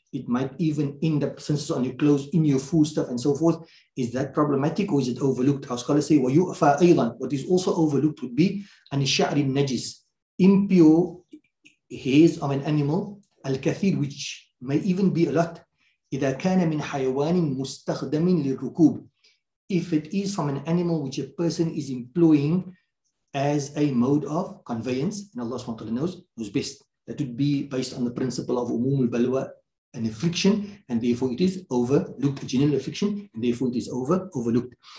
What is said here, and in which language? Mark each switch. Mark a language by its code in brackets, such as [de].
[en] It might even end up, since it's on your clothes, in your food stuff and so forth. Is that problematic or is it overlooked? Our scholars say, well, [ar] you fa' aydan. [en] What is also overlooked would be an ishari najis, impure hairs of an animal, al kathir, which may even be a lot. [ar] إذا كان من حيوان مستخدم للركوب. [en] If it is from an animal which a person is employing as a mode of conveyance, and Allah subhanahu wa ta'ala knows best, that would be based on the principle of umum al-balwa, an affliction, and therefore it is overlooked, a general affliction, and therefore it is overlooked.